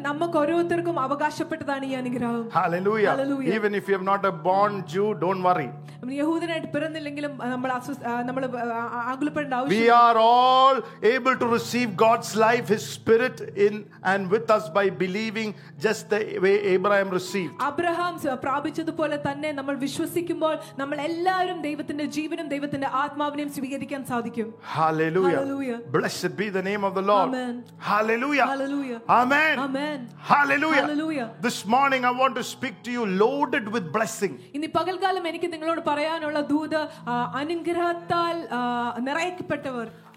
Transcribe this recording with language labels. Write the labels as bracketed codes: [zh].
[ml] നമുക്ക് ഓരോരുത്തർക്കും അവകാശപ്പെട്ടതാണ് ഈ അനുഗ്രഹം. [en] Hallelujah. Even if you have not a born Jew, don't worry. [ml] യഹൂദനായിട്ട് പിറന്നില്ലെങ്കിലും നമ്മൾ ആകുലപ്പെടേണ്ട ആവശ്യം. [en] We are all able to receive God's life, His Spirit in and with us by believing just the way Abraham received. [ml] Abraham പ്രാപിച്ചതുപോലെ തന്നെ നമ്മൾ വിശ്വസിക്കുമ്പോൾ നമ്മൾ എല്ലാവരും ദൈവത്തിന്റെ ജീവനും ദൈവത്തിന്റെ ആത്മാവിനെയും സ്വീകരിക്കാൻ സാധിക്കും. [en] Hallelujah. Hallelujah. Blessed be the name of the Lord. Amen. Hallelujah. Hallelujah. Amen. Amen. Hallelujah. Hallelujah. This morning I want to speak to you loaded with blessing. [ml] ഇനി പകൽകാലം എനിക്ക് നിങ്ങളോട് പറയാനുള്ള ദൂത അനുഗ്രഹത്താൽ നിറയ്ക്കപ്പെട്ടവർ.